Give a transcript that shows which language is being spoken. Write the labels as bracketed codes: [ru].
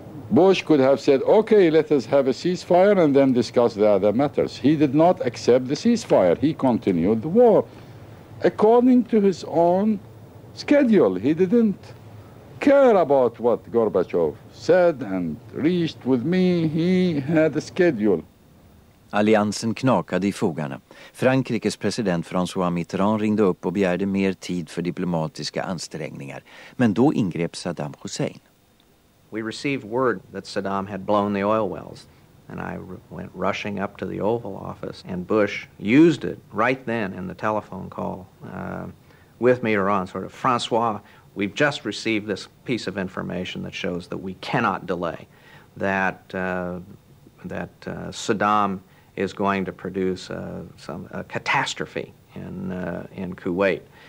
[en] Bush could have said, okay, let us have a ceasefire and then discuss the other matters. He did not accept the ceasefire. He continued the war according to his own schedule. He didn't care about what Gorbachev said and reached with me. He had a schedule. [sv] Alliansen knakade i fogarna. Frankrikes president François Mitterrand ringde upp och begärde mer tid för diplomatiska ansträngningar. Men då ingrep Saddam Hussein. [en] We received word that Saddam had blown the oil wells, and I went rushing up to the Oval Office, and Bush used it right then in the telephone call with Mitterrand, sort of, Francois, we've just received this piece of information that shows that we cannot delay, that Saddam is going to produce a catastrophe in Kuwait.